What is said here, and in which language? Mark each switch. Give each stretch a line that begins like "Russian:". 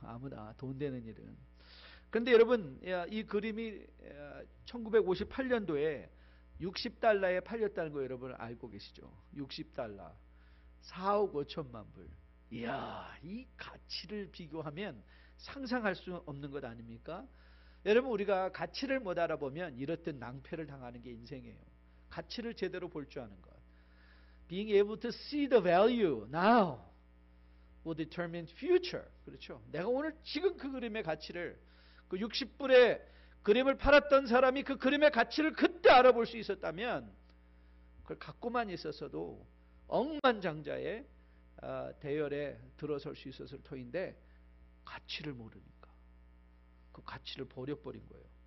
Korean: 아무나 돈 되는 일은. 그런데 여러분 이 그림이 1958년도에 60달러에 팔렸다는 거 여러분 알고 계시죠? 60달러 4억 5천만 불. 이야 이 가치를 비교하면 상상할 수 없는 것 아닙니까? 여러분 우리가 가치를 못 알아보면 이렇듯 낭패를 당하는 게 인생이에요. 가치를 제대로 볼 줄 아는 것.
English: Being able to see the value now. will determine future.
Korean: 그렇죠. 내가 오늘 지금 그 그림의 가치를 그 60불에 그림을 팔았던 사람이 그 그림의 가치를 그때 알아볼 수 있었다면 그걸 갖고만 있었어도 억만장자의 대열에 들어설 수 있었을 터인데 가치를 모르니까 그 가치를 버려버린 거예요.